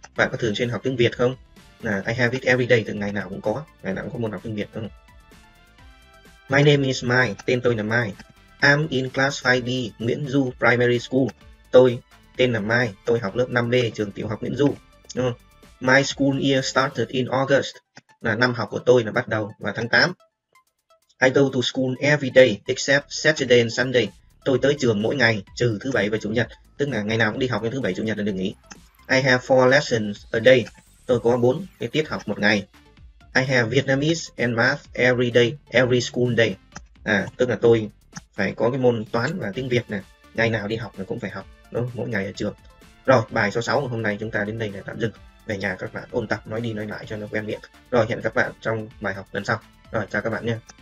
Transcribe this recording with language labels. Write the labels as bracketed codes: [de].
[vi] Bạn có thường xuyên học tiếng Việt không? Là [en] I have it every day, [vi] từ ngày nào cũng có, ngày nào cũng có môn học tiếng Việt, đúng không? [en] My name is Mai, [vi] tên tôi là Mai. [en] I'm in class 5B, Nguyễn Du Primary School. [vi] Tôi tên là Mai, tôi học lớp 5B, trường tiểu học Nguyễn Du. Đúng không? [en] My school year started in August, [vi] là năm học của tôi là bắt đầu vào tháng 8. [en] I go to school every day, except Saturday and Sunday. [vi] Tôi tới trường mỗi ngày, trừ thứ bảy và chủ nhật. Tức là ngày nào cũng đi học, nhưng thứ bảy chủ nhật là được nghỉ. [en] I have 4 lessons a day. [vi] Tôi có 4 cái tiết học một ngày. [en] I have Vietnamese and math every day, every school day. [vi] À, tức là tôi phải có cái môn toán và tiếng Việt này. Ngày nào đi học là cũng phải học, đúng không? Mỗi ngày ở trường. Rồi, bài số 6 của hôm nay chúng ta đến đây là tạm dừng. Về nhà các bạn ôn tập nói đi nói lại cho nó quen miệng. Rồi, hẹn các bạn trong bài học lần sau. Rồi, chào các bạn nhé.